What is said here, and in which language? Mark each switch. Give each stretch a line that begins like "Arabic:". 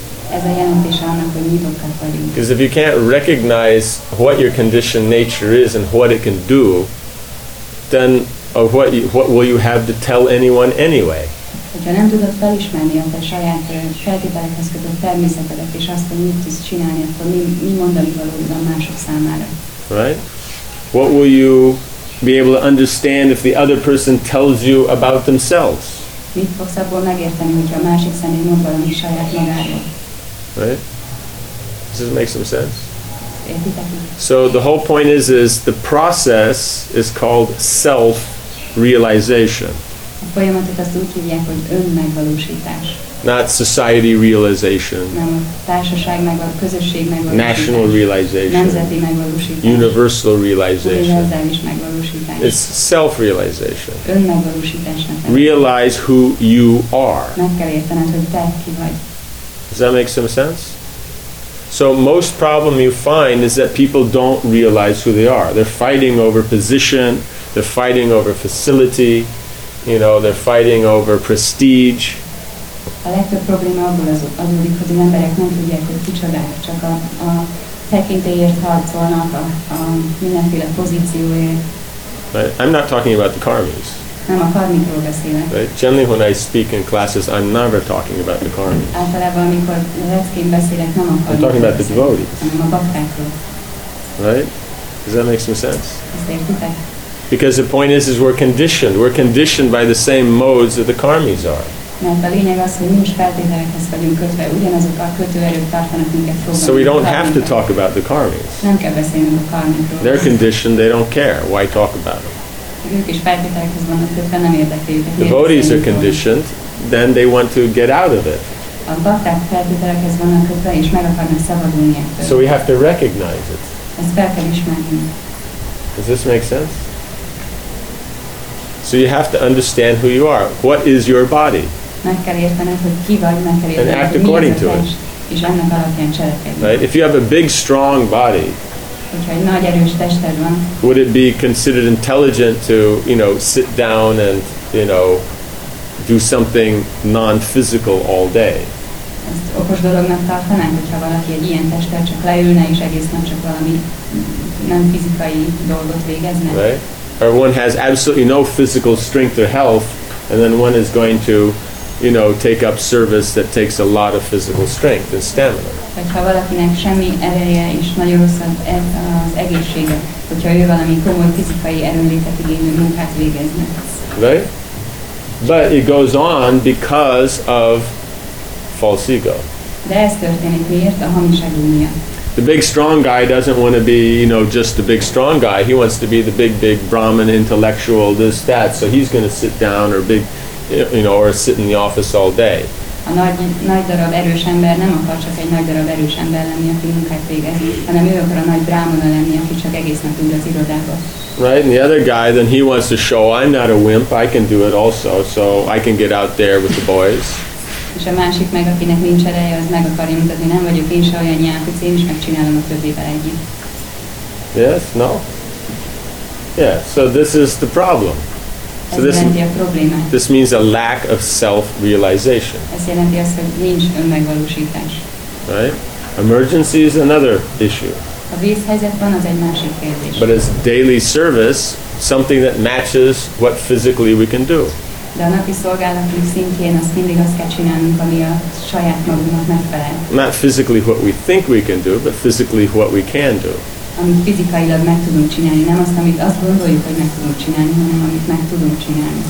Hungarian: Ez a jelentés annak, hogy nyitottak vagyunk.
English: Because if you can't recognize what your conditioned nature is and what it can do, then of what will you have to tell anyone anyway?
Hungarian: Hogyha nem tudod felismerni a te saját feltételekhez kötött természetedet és azt, hogy mit tudsz csinálni, akkor mi mondani valóban a mások számára?
English: Right? What will you be able to understand if the other person tells you about themselves?
Hungarian: Mit fogsz abból megérteni, hogyha a másik személy mond valami saját magáról?
English: Right? Does this make some sense? So the whole point is the process is called self-realization.
Hungarian: A folyamatot azt úgy hívják, hogy önmegvalósítás.
English: Not society realization.
Hungarian: Nem, társaság megvalósítás, közösség megvalósítás.
English: National realization.
Hungarian: Nemzeti megvalósítás.
English: Universal realization.
Hungarian: Univerzális megvalósítás.
English: It's self-realization.
Hungarian: Önmegvalósításnak.
English: Realize who you are.
Hungarian: Meg kell értened, hogy te ki vagy.
English: Does that make some sense? So most problem you find is that people don't realize who they are. They're fighting over position, they're fighting over facility, you know, they're fighting over prestige.
Hungarian: A legtöbb probléma abból adódik, hogy az emberek nem tudják, hogy kicsodák, csak a tekintélyért harcolnak, a mindenféle pozícióért.
English: I'm not talking about the karmis.
Hungarian: Nem a karmikról beszélek.
English: But generally when I speak in classes, I'm never talking about the karmis.
Hungarian: Általában, amikor leckén beszélek, nem a karmikról.
English: I'm talking about the devotees.
Hungarian: Hanem a baktákról.
English: Right? Does that make some sense?
Hungarian: Ezt értitek?
English: Because the point is we're conditioned. We're conditioned by the same modes that the karmis are.
Hungarian: Mert a lényeg az, hogy mi is feltételekhez vagyunk kötve, ugyanazok a kötőerők tartanak minket fogva.
English: So we don't have to talk about the karmis.
Hungarian: Nem kell beszélnünk a karmikról.
English: They're conditioned, they don't care. Why talk about them?
Hungarian: Ők is feltételekhez vannak kötve, nem érdekli.
English: The devotees are conditioned, then they want to get out of it.
Hungarian: A bakták feltételekhez vannak kötve, és meg akarnak szabadulni ettől.
English: So we have to recognize it.
Hungarian: Ezt fel kell ismerni.
English: Does this make sense? So you have to understand who you are. What is your body?
Hungarian: Meg kell értened, hogy ki vagy, meg kell értened, hogy mi az a test, és annak alapján cselekedni.
English: Right? If you have a big, strong body,
Hungarian: nagy, erős tested van,
English: would it be considered intelligent to, you know, sit down and, you know, do something non-physical all day?
Hungarian: Ezt okos dolognak tartanánk, hogyha valaki egy ilyen testtel csak leülne és egész nap csak valami nem fizikai dolgot végezne?
English: Right? Or one has absolutely no physical strength or health, and then one is going to, you know, take up service that takes a lot of physical strength and stamina.
Hungarian: Hogyha valakinek semmi ereje és nagyon rossz az egészsége, hogyha ő valami komoly fizikai erőnlétet igénylő munkát végezne.
English: Right? But it goes on because of false ego.
Hungarian: De ez történik miért? A hamis ego miatt.
English: The big strong guy doesn't want to be, you know, just the big strong guy. He wants to be the big, big Brahmin intellectual, this, that. So he's going to sit down or big, you know, or sit in the office all day.
Hungarian: A nagy darab erős ember nem akar csak egy nagy darab erős ember lenni, aki munkát végezni, hanem ő akar a nagy brámona lenni, aki csak egész nap ül az irodába.
English: Right, and the other guy, then he wants to show, I'm not a wimp, I can do it also, so I can get out there with the boys.
Hungarian: És a másik meg, akinek nincs ereje, az meg akarja mutatni, nem vagyok én se olyan nyelv, hogy én is megcsinálom a közével együtt.
English: Yes, no? Yeah, so this is the problem.
Hungarian: So ez jelenti a problémát.
English: This means a lack of self-realization.
Hungarian: Ez jelenti azt, hogy nincs önmegvalósítás.
English: Right? Emergency is another issue.
Hungarian: A vészhelyzetben az egy másik kérdés.
English: But it's daily service, something that matches what physically we can do.
Hungarian: De a napi szolgálati szintjén azt mindig azt kell csinálnunk, ami a saját magunknak megfelel.
English: Not physically what we think we can do, but physically what we can do.
Hungarian: Amit fizikailag meg tudunk csinálni, nem azt, amit azt gondoljuk, hogy meg tudunk csinálni, hanem amit meg tudunk csinálni.